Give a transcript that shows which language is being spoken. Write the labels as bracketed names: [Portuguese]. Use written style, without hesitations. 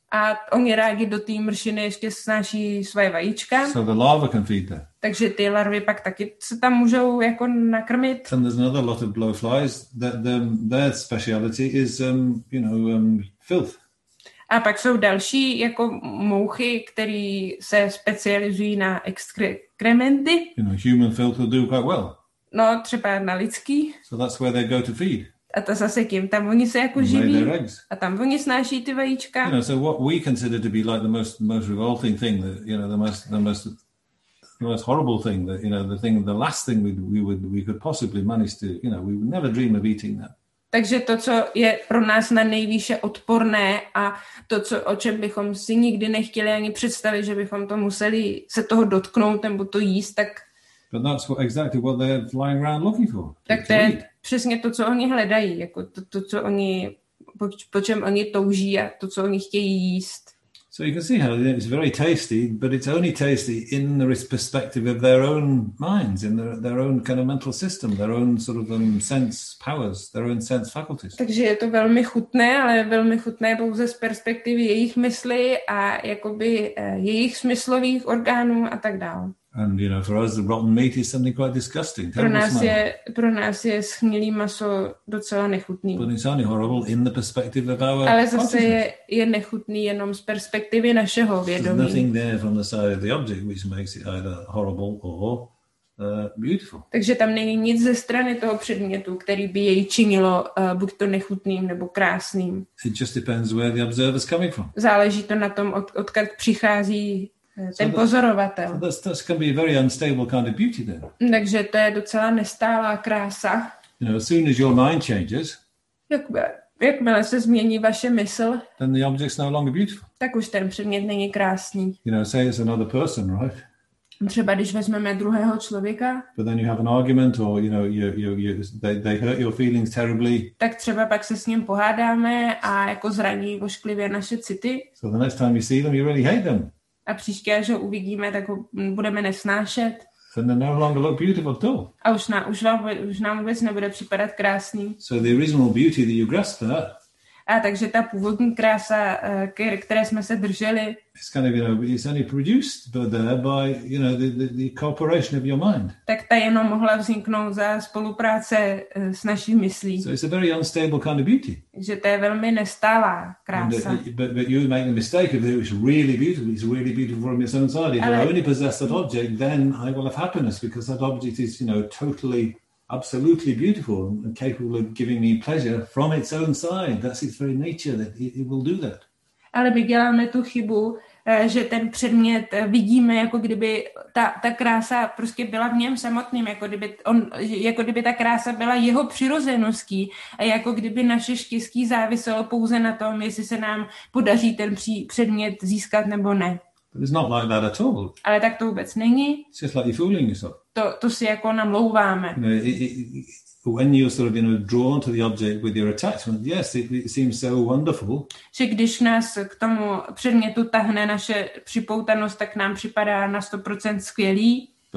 [Czech] A oni rádi do té mršiny ještě snáší svoje vajíčka. [English] So the larva can feed there. [Czech] Takže ty larvy pak taky se tam můžou jako nakrmit. [English] And there's another lot of blowflies that their speciality is filth. [Czech] A pak jsou další jako mouchy, které se specializují na exkrementy. [English] You know, human filth will do quite well. [Czech] No, třeba na lidský. [English] So that's where they go to feed. [Czech] A to zase kým? Tam oni se jako živí. A tam oni snáší ty vajíčka. [English] You know, so what we consider to be like the most revolting thing, the most horrible thing, that, you know, the last thing we could possibly manage to, you know, we would never dream of eating that. [Czech] Takže to, co je pro nás na nejvýše odporné a to, co, o čem bychom si nikdy nechtěli ani představit, že bychom to museli se toho dotknout nebo to jíst, tak... [English] But that's exactly what they're flying around looking for. [Czech] Tak to je přesně to, co oni hledají, jako to, co oni po čem oni touží a to, co oni chtějí jíst. [English] So you can see how it's very tasty, but it's only tasty in the perspective of their own minds, in their own kind of mental system, their own sort of sense powers, their own sense faculties. [Czech] Takže je to velmi chutné, ale velmi chutné pouze z perspektivy jejich mysli a jakoby jejich smyslových orgánů a tak dále. [English] And you know, for us, the rotten meat is something quite disgusting. [Czech] Pro nás je shnilý maso docela nechutný. [English] But it's only horrible in the perspective of our. [Czech] Ale zase je nechutný jenom z perspektivy našeho vědomí. [English] There's nothing there from the side of the object which makes it either horrible or beautiful. [Czech] Takže tam není nic ze strany toho předmětu, který by jej činilo buď to nechutným nebo krásným. [English] It just depends where the observer's coming from. [Czech] Záleží to na tom, odkud přichází. Ten pozorovatel. [English] That can be a very unstable kind of beauty then. [Czech] Takže to je docela nestálá krása. [English] You know, as soon as your mind changes, [Czech] jakmile se změní vaše mysl, [English] then the object's no longer beautiful. [Czech] Tak už ten předmět není krásný. [English] You know, say it's another person, right? [Czech] Třeba když vezmeme druhého člověka. [English] But then you have an argument, or you know, they hurt your feelings terribly. [Czech] Tak třeba pak se s ním pohádáme a jako zraní ošklivě naše city. [English] So the next time you see them, you really hate them. [Czech] A příště, až ho uvidíme, tak ho budeme nesnášet. [English] And they no longer look beautiful too. [Czech] A už nám vůbec nebude připadat krásný. [English] So the original beauty that you grasped there. [Czech] A takže ta původní krása, které jsme se drželi. [English] It's kind of, you know, it's only produced there by, you know, the cooperation of your mind. [Czech] Tak ta jenom mohla vzniknout za spolupráce s naší myslí. [English] So it's a very unstable kind of beauty. [Czech] Že to je velmi nestálá krása. And, [English] but you make the mistake of it's really beautiful from its own side. If I only possess that object, then I will have happiness because that object is, you know, totally absolutely beautiful and capable of giving me pleasure from its own side. That's its very nature that it will do that. [Czech] Ale my děláme tu chybu, že ten předmět vidíme, jako kdyby ta krása prostě byla v něm samotným, jako kdyby ta krása byla jeho přirozeností a jako kdyby naše štěstí záviselo pouze na tom, jestli se nám podaří ten předmět získat nebo ne. [English] But it's not like that at all. [Czech] Ale tak to vůbec není. [English] It's just like you're fooling yourself. [Czech] To si jako namlouváme. [English] You know, when you're sort of, you know, drawn to the object with your attachment, yes, it seems so wonderful. [Czech] Že když nás k tomu předmětu tahne naše připoutanost, tak nám připadá na 100% skvělý.